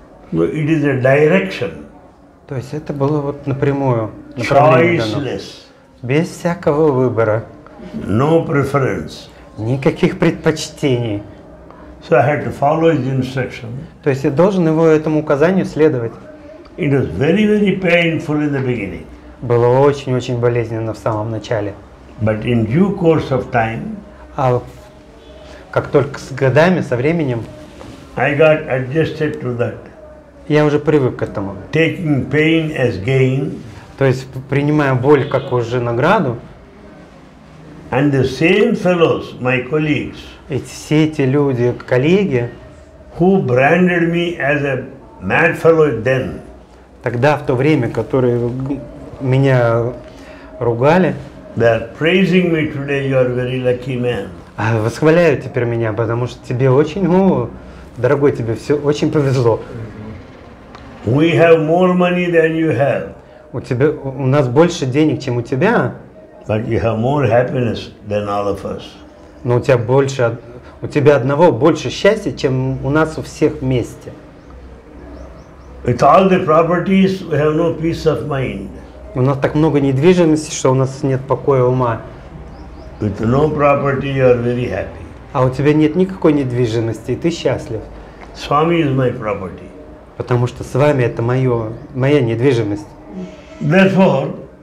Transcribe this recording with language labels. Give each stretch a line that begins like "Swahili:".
English: Но it is a direction.
Russian: То есть это было вот напрямую.
English: Choiceless.
Russian: Без всякого выбора.
English: No preference.
Russian: Никаких предпочтений.
English: So I had to follow his instruction.
Russian: То есть я должен его этому указанию следовать.
English: It was very, very painful in the beginning.
Russian: Было очень-очень болезненно в самом начале.
English: But in due course of time,
Russian: а как только с годами, со временем,
English: I got adjusted to that.
Russian: Я уже привык к этому.
English: Taking pain as gain.
Russian: То есть принимая боль как уже награду.
English: And the same fellows, my colleagues.
Russian: Эти все эти люди, коллеги,
English: who branded me as a mad fellow then.
Russian: Тогда, в то время, которые меня ругали, восхваляют теперь меня, потому что тебе очень, ну, дорогой, тебе все очень повезло.
English: We have more money than you have.
Russian: У нас больше денег, чем у тебя.
English: But you have more happiness than all of us.
Russian: Но у тебя одного больше счастья, чем у нас у всех вместе.
English: With all the properties, we have no peace of mind.
Russian: У нас так много недвижимости, что у нас нет покоя ума.
English: With no property, you are very happy.
Russian: А у тебя нет никакой недвижимости, и ты счастлив.
English: Swami is my property.
Russian: Потому что с вами это моя недвижимость.
English: Therefore,